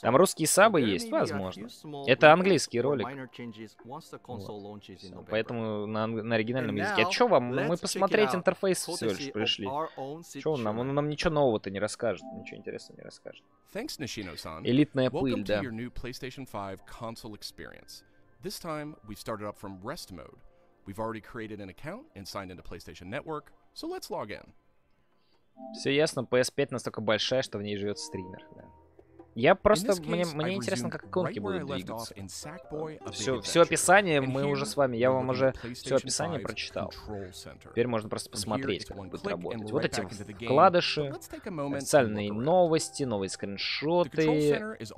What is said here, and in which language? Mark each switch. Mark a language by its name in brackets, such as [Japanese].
[Russian] Там русские сабы есть, возможно. Это английский ролик. Вот. Поэтому на оригинальном языке. А чё вам? Мы посмотреть интерфейс всего лишь пришли. Чё он нам? Он нам ничего нового-то не расскажет. Ничего интересного не расскажет. Элитная пыль, да. [English] PlayStation 5 console experience. This time we started up from rest mode. We've already created an account and signed into PlayStation Network, so let's log in. [Russian] Все ясно, PS5 настолько большая, что в ней живет стример. Да. Я просто, мне интересно, как иконки будут двигаться. Все описание мы уже с вами, я вам уже все описание прочитал. Теперь можно просто посмотреть, как будет работать. Вот эти вкладыши, официальные новости, новые скриншоты.